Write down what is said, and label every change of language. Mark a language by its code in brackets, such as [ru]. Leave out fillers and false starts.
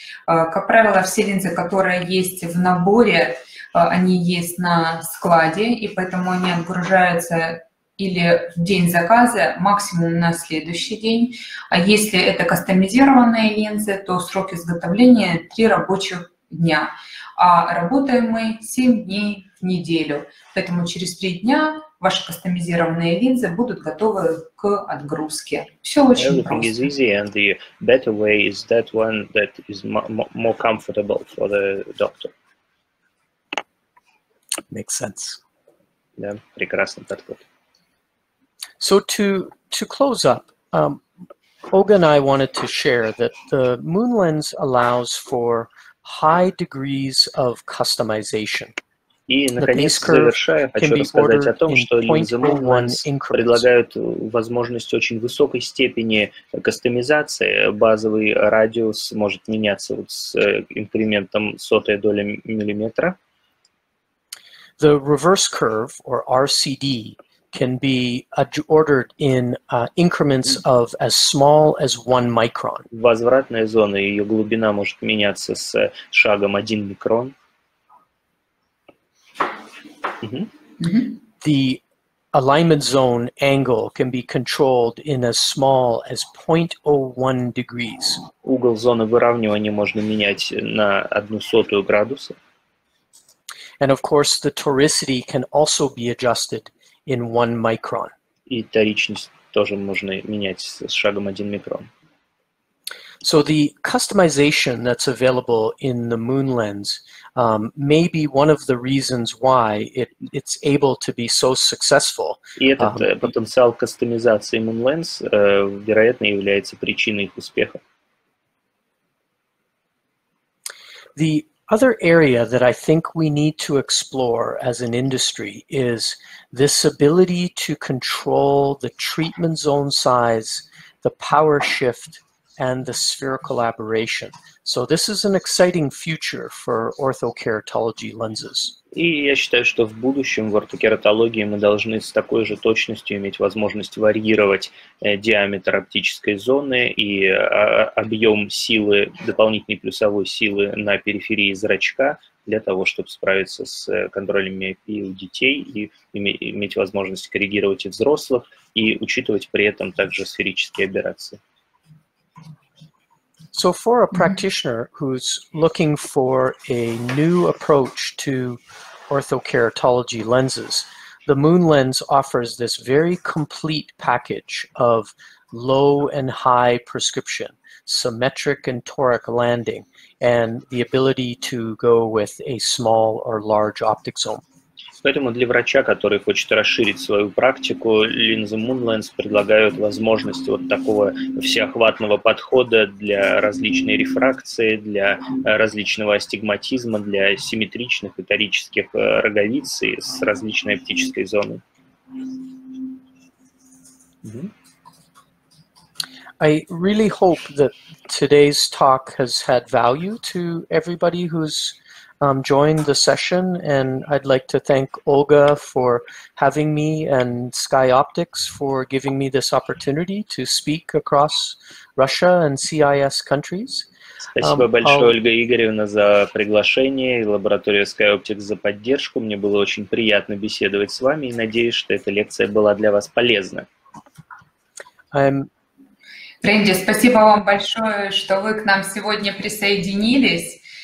[ru] Как правило, все линзы, которые есть в наборе, они есть на складе, и поэтому они отгружаются или в день заказа, максимум на следующий день. А если это кастомизированные линзы, то срок изготовления 3 рабочих дня. А работаем мы 7 дней в неделю. Поэтому через 3 дня ваши кастомизированные линзы будут готовы к отгрузке. Все очень [en] Everything [ru] просто. [en] Is easy, and the better way is that one that is more comfortable for the doctor. Makes sense. [ru] Да, прекрасный подход. [en] So to close up, Olga and I wanted to share that the MoonLens allows for high degrees of customization. [ru] И, наконец, завершая, хочу рассказать о том, что линзы MoonLens предлагают возможность очень высокой степени кастомизации. Базовый радиус может меняться вот с инкрементом сотой доли миллиметра. [en] The reverse curve, or RCD, can be ordered in increments of as small as 1 micron. [ru] Возвратная зона, ее глубина может меняться с шагом 1 микрон. [en] The alignment zone angle can be controlled in as small as 0.01 degrees. [ru] Угол зоны выравнивания можно менять на 0.01 градуса. [en] And of course, the toricity can also be adjusted in 1 micron. [ru] И торичность тоже можно менять с шагом 1 микрон. [en] So the customization that's available in the MoonLens may be one of the reasons why it's able to be so successful. [ru] И этот потенциал кастомизации MoonLens вероятно является причиной их успеха. [en] The other area that I think we need to explore as an industry is this ability to control the treatment zone size, the power shift, and the spherical aberration. So this is an exciting future for orthokeratology lenses. [ru] И я считаю, что в будущем в ортокератологии мы должны с такой же точностью иметь возможность варьировать диаметр оптической зоны и объем силы, дополнительной плюсовой силы на периферии зрачка для того, чтобы справиться с контролем миопии у детей и иметь возможность коррегировать и взрослых и учитывать при этом также сферические аберрации. [en] So for a practitioner who's looking for a new approach to orthokeratology lenses, the MoonLens offers this very complete package of low and high prescription, symmetric and toric landing, and the ability to go with a small or large optic zone. [ru] Поэтому для врача, который хочет расширить свою практику, линзы MoonLens предлагают возможность вот такого всеохватного подхода для различной рефракции, для различного астигматизма, для симметричных и торических роговиц с различной оптической зоной. [en] I really hope that today's talk has had value to everybody who's joined the session, and I'd like to thank Olga for having me and SkyOptix for giving me this opportunity to speak across Russia and CIS countries. [ru] Спасибо большое, Ольга Игоревна, за приглашение и лаборатория SkyOptix за поддержку. Мне было очень приятно беседовать с вами и надеюсь, что эта лекция была для вас полезна. Рэнди, спасибо вам большое, что вы к нам сегодня присоединились.